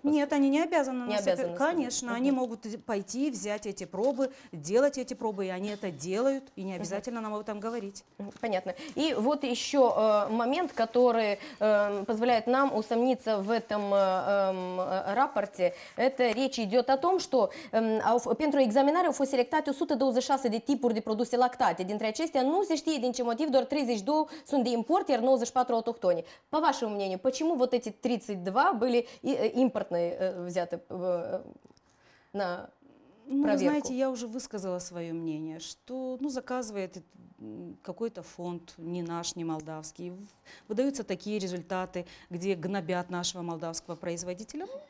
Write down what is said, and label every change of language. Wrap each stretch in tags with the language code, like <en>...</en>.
<ru>Нет, они не обязаны. Не обязаны. Конечно, они могут пойти, взять эти пробы, делать эти пробы, и они это делают, и не обязательно нам об этом говорить. Понятно. И вот еще момент, который позволяет нам усомниться в этом рапорте. Это речь идет о том, что</ru> <ro>pentru examinare au fost selectate 126 de tipuri de produse lactate. Dintre acestea, nu se știe din ce мотив, doar 32 sunt de import, iar 94 autohtone.</ro> <ru>По вашему мнению, почему вот эти 32 были импортные взяты на проверку? Ну, знаете, я уже высказала свое мнение, что заказывает какой-то фонд, не наш, не молдавский. Выдаются такие результаты, где гнобят нашего молдавского производителя.</ru>